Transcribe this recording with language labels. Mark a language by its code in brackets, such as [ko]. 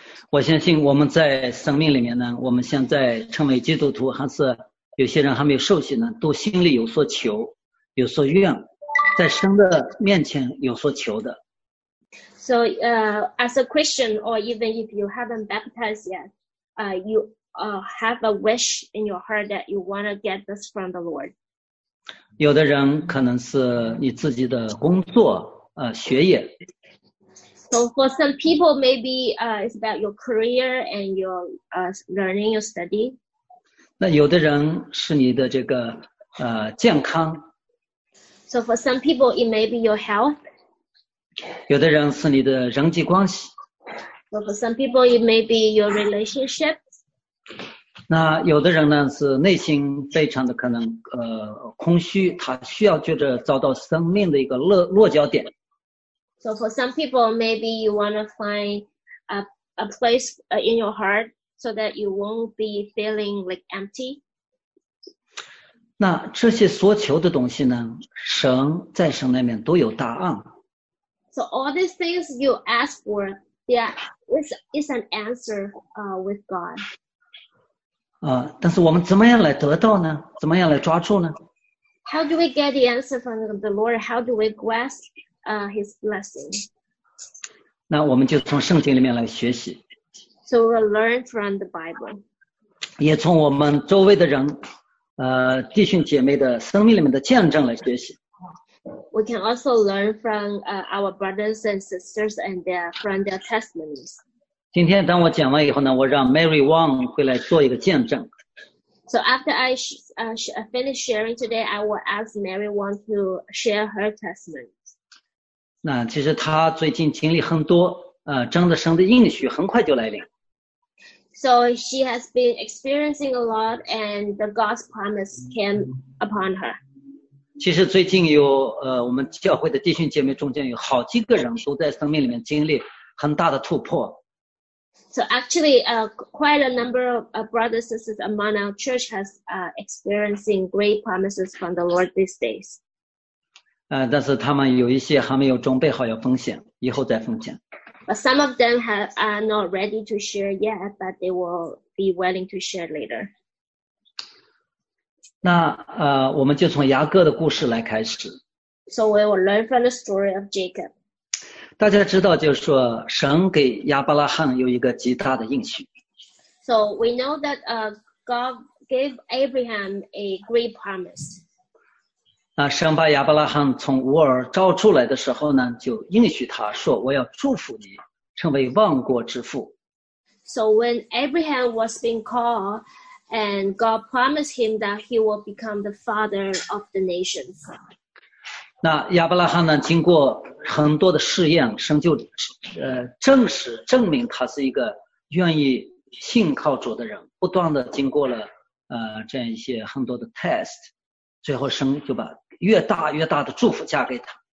[zh] 我相信我们在生命里面呢，我们现在成为基督徒，还是有些人还没有受洗呢，都心里有所求，有所愿，在神的面前有所求的。 [en] So, as a Christian, or even if you haven't baptized yet, have a wish in your heart that you want to get this from the Lord. [zh] 有的人可能是你自己的工作，学业。 [en] So for some people, maybe it's about your career and your learning, your study. [zh] 那有的人是你的这个健康。 [en] So for some people, it may be your health. [zh] 有的人是你的人际关系。 [en] So for some people, it may be your relationship. [zh] 那有的人呢是内心非常的可能空虚，他需要觉得找到生命的一个落脚点。 [en] So for some people, maybe you want to find a place in your heart so that you won't be feeling like empty. [zh] 那这些所求的东西呢，神在神那边都有答案。 [en] So all these things you ask for, yeah, it's an answer with God. [zh] 但是我们怎么样来得到呢？怎么样来抓住呢 [en] ？How do we get the answer from the Lord? How do we grasp His blessing? [zh] 那我们就从圣经里面来学习。 [en] So we learn from the Bible. [zh] 也从我们周围的人，弟兄姐妹的生命里面的见证来学习。 [en] We can also learn from our brothers and sisters and from their testimonies. [zh] 今天当我讲完以后呢，我让 Mary Wong 会来做一个见证。 [en] So after I finish sharing today, I will ask Mary Wong to share her testimony. [zh] 那其实她最近经历很多，真的神的应许很快就来临。 [en] So she has been experiencing a lot, and the God's promise came upon her. [zh] 其实最近有我们教会的弟兄姐妹中间有好几个人都在生命里面经历很大的突破。 [en] So actually, quite a number of brothers and sisters among our church has experiencing great promises from the Lord these days. [zh] 但是他们有一些还没有准备好要分享，以后再分享。 [en] But some of them are not ready to share yet, but they will be willing to share later. [zh] 那我们就从雅各的故事来开始。 [en] So we will learn from the story of Jacob. [zh] 大家知道，就是说，神给亚伯拉罕有一个极大的应许。 [en] So we know that God gave Abraham a great promise. [zh] 圣巴亚伯拉罕从乌尔召出来的时候呢，就应许他说：“我要祝福你，成为万国之父。” [en] So when Abraham was being called, and God promised him that he will become the father of the nations. [zh] 那亚伯拉罕呢，经过很多的试验，神就证实证明他是一个愿意信靠主的人，不断的经过了这样一些很多的 test。最后神就把越大越大的祝福加给他。